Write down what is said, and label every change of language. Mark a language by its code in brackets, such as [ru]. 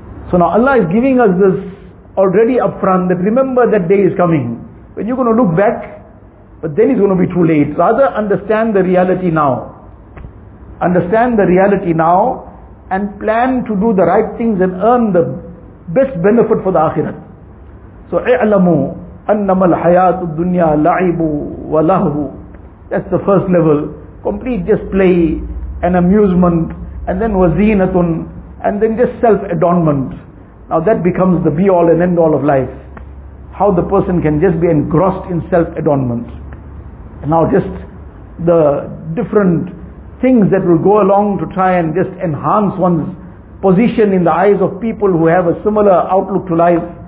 [en] So now Allah is giving us this already up front, that remember that day is coming when you're going to look back, but then it's going to be too late. Rather understand the reality now. Understand the reality now and plan to do the right things and earn the best benefit for the akhirat. [ar] So, اعلموا أنما الحياة الدنيا لعب ولهو. [en] That's the first level. Complete just play and amusement, and then وزينتن, and then just self-adornment. Now that becomes the be-all and end-all of life. How the person can just be engrossed in self-adornment. Now just the different things that will go along to try and just enhance one's position in the eyes of people who have a similar outlook to life.